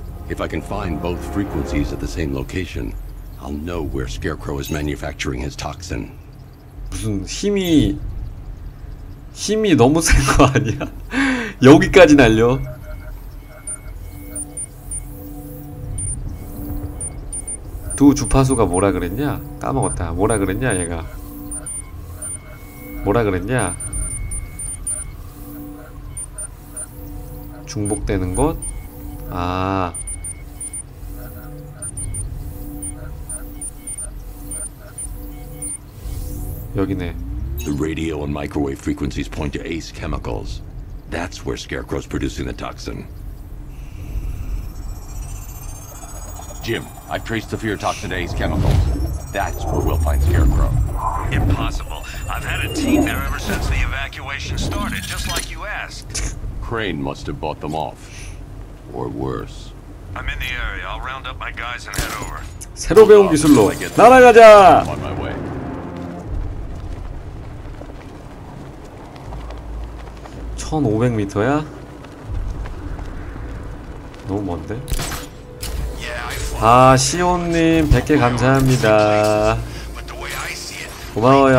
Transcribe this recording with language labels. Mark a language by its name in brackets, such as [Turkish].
[English] If I can find both frequencies at the same location, I'll know where Scarecrow is manufacturing his toxin. [Korean] 무슨 힘이 너무 센 거 아니야? 여기까지 날려. 두 주파수가 뭐라 그랬냐? 까먹었다. 뭐라 그랬냐, 얘가? 뭐라 그랬냐? 중복되는 것? 아. 여기네. [English] The radio and microwave frequencies point to Ace Chemicals. That's where Scarecrow's producing the toxin. Jim, I've traced the fear toxin to Ace Chemicals. That's where we'll find Scarecrow. Impossible. I've had a team there ever since the evacuation started, just like you asked. Crane must have bought them off. Or worse. I'm in the area. I'll round up my guys and head over. [Korean] 새로 배운 기술로 날아가자. [English] On my way. [Korean] 1500m야? 너무 먼데? 아, 시온님 100개 감사합니다. 고마워요.